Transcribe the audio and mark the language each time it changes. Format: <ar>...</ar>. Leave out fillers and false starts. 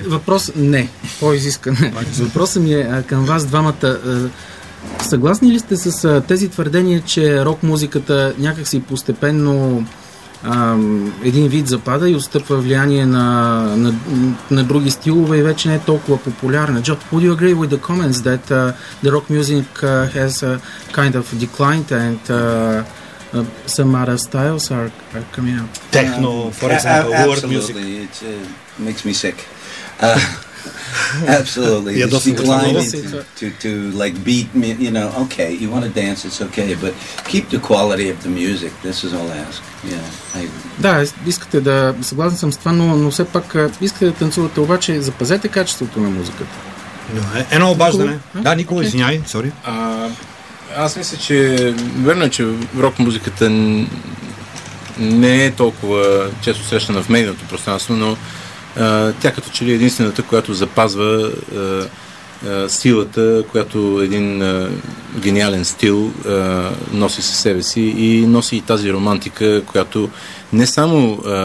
<bg>Въпрос не, по-изискан. Въпросът ми е към вас двамата. Съгласни ли сте с тези твърдения, че рок-музиката някакси постепенно един вид запада и отстъпва влияние на други стилове и вече не е толкова популярна?</bg> <en>Джо, would you agree with the comments that the rock music has kind of declined and... some other styles are coming out. Techno, for example, world music. It makes me sick. absolutely. Yeah, this decline to like beat me, you know, okay, you want to dance, it's okay, but keep the quality of the music. This is all I ask.</en> <bg>Да, искате да, съгласен съм с това, но все пак искате да танцувате, обаче запазете качеството на музиката. Едно обаждане. Да, Никола, извиняй, сори. Аз мисля, че верно е, че рок-музиката не е толкова често срещана в медийното пространство, но тя като че ли е единствената, която запазва силата, която един гениален стил носи със себе си и носи и тази романтика, която не само</bg>